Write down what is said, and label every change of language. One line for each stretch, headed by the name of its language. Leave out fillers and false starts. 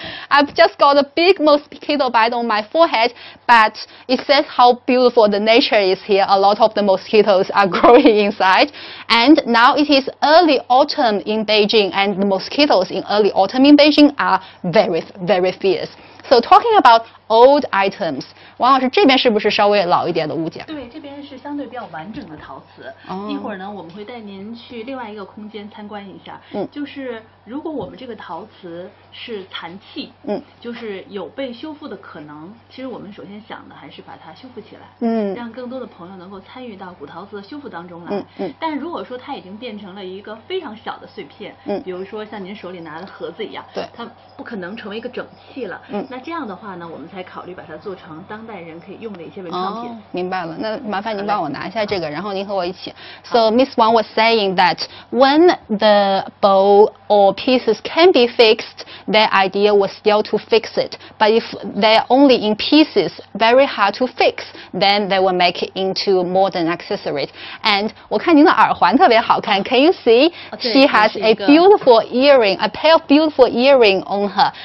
English: I've just got a big mosquito bite on my forehead, but it says how beautiful the nature is here. A lot of the mosquitoes are growing inside. And now it is early autumn in Beijing, and the mosquitoes in early autumn in Beijing are very, very fierce. So talking about old items,
Chinese: 王老师这边是不是稍微老一点的物件？对，这边是相对比较完整的陶瓷。一会儿呢，我们会带您去另外一个空间参观一下。嗯，就是如果我们这个陶瓷是残器，嗯，就是有被修复的可能。其实我们首先想的还是把它修复起来，嗯，让更多的朋友能够参与到古陶瓷的修复当中来。嗯，但如果说它已经变成了一个非常小的碎片，嗯，比如说像您手里拿的盒子一样，对，它不可能成为一个整器了。嗯，那这样的话呢，我们才考虑把它做成当代人可以用的一些文创品。哦，明白了。那麻烦您帮我拿一下这个，然后您和我一起。
English: So Miss Wang was saying that when the bowl or pieces can be fixed, their idea was still to fix it. But if they're only in pieces, very hard to fix, then they will make it into modern accessories. And
Chinese: 我看您的耳环特别好看。
English: Can you see? She has a beautiful earring, a pair of beautiful earring on her.